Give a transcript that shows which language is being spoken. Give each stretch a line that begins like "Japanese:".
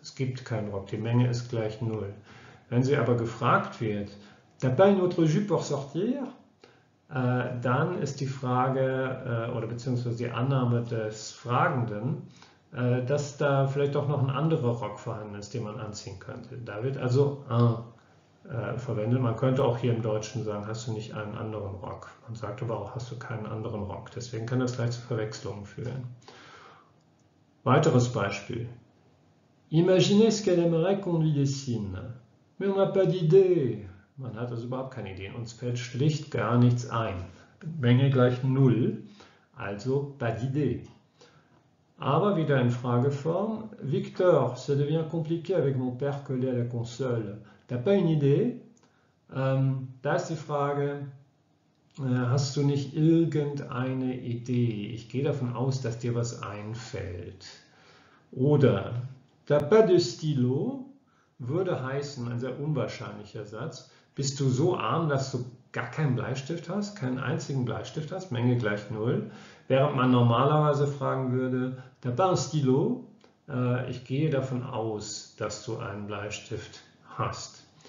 German: Es gibt keinen Rock, die Menge ist gleich 0. Wenn sie aber gefragt wird,
French: t'as pas une autre jupe pour sortir,
German: dann ist die Frage oder beziehungsweise die Annahme des Fragenden, dass da vielleicht auch noch ein anderer Rock vorhanden ist, den man anziehen könnte. Da wird also un verwendet. Man könnte auch hier im Deutschen sagen, hast du nicht einen anderen Rock? Man sagt aber auch, hast du keinen anderen Rock? Deswegen kann das gleich zu Verwechslungen führen. Weiteres Beispiel.
French: Imaginez ce qu'elle aimerait qu'on lui dessine. Mais on n'a pas d'idée.
German: Man hat also überhaupt keine Ideen. Uns fällt schlicht gar nichts ein. Menge gleich 0. Also
French: pas d'idée.
German: Aber wieder in Frageform.
French: Victor, ça devient compliqué avec mon père collé à la console. T'as pas une idée?
German: Da ist die Frage, hast du nicht irgendeine Idee? Ich gehe davon aus, dass dir was einfällt. Oder
French: t'as pas de stylo
German: würde heißen, ein sehr unwahrscheinlicher Satz, bist du so arm, dass du gar keinen Bleistift hast, keinen einzigen Bleistift hast, Menge gleich 0, während man normalerweise fragen würde,
French: t'as pas un stylo,
German: ich gehe davon aus, dass du einen Bleistift hast.